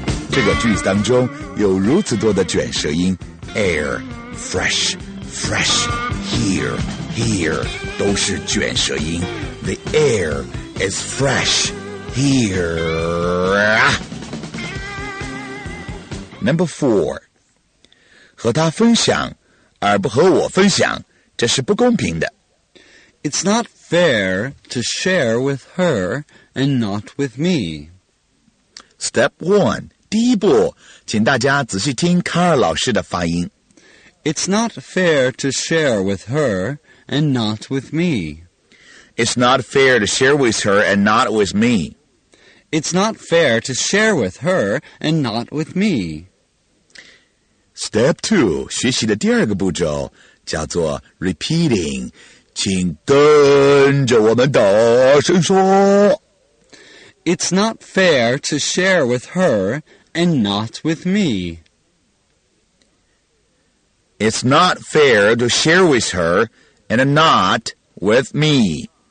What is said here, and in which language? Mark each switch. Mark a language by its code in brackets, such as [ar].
[zh] 这个句子当中有如此多的卷舌音 [en] air, fresh, fresh, here, here, [zh] 都是卷舌音 [en] The air is fresh. Here. Number four. [zh] 和他分享而不和我分享这是不公平的。 [en] It's not fair to share with her and not with me. Step one. [zh] 第一步请大家仔细听卡尔老师的发音。 [en] It's not fair to share with her and not with me. It's not fair to share with her and not with me. It's not fair to share with her and not with me. Step 2, [zh] 学习的第二个步骤叫做 [en] repeating. [zh] 请跟着我们大声说。 [en] It's not fair to share with her and not with me. It's not fair to share with her and not with me.